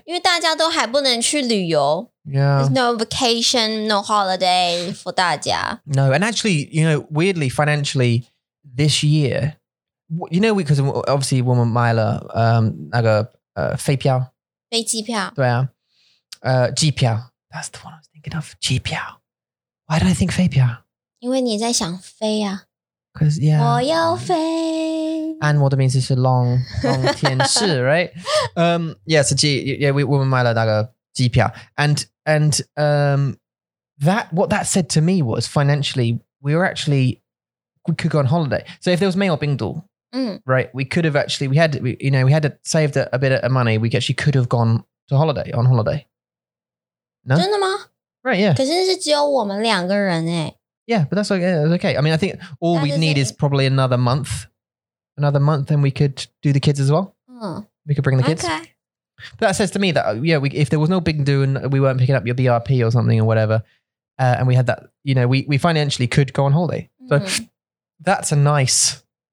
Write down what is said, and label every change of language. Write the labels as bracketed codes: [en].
[zh] 因为大家都还不能去旅游。 [en] Yeah. There's no vacation, no holiday for [zh] 大家. [en] No, and actually, you know, weirdly, financially, this year, you know, because obviously [zh] 我们买了那个飞票。飞机票。对啊。机票。 [en] That's the one I was thinking of. [zh] 机票。 [en] Why did I think [zh] 飞票? 因为你在想飞啊。 [en] Because, yeah. [zh] 我要飞。 [en] And what it means is long, long [zh] 天使, [en] right? Yeah, so we bought that ticket. And that, what that said to me was financially, we could go on holiday. So if there was [zh] 没有病毒, [en] right? We could have actually, we had saved a bit of money. We actually could have gone on holiday. No? [zh] 真的吗? [en] Right, yeah. [zh] 可是是只有我们两个人耶。 [en] Yeah, but that's okay, yeah, okay. I mean, I think all we need is probably another month. Another month, and we could do the kids as well. Mm. We could bring the kids. Okay. But that says to me that, yeah, if there was no big do and we weren't picking up your BRP or something or whatever, and we had that, you know, we financially could go on holiday. So that's a nice,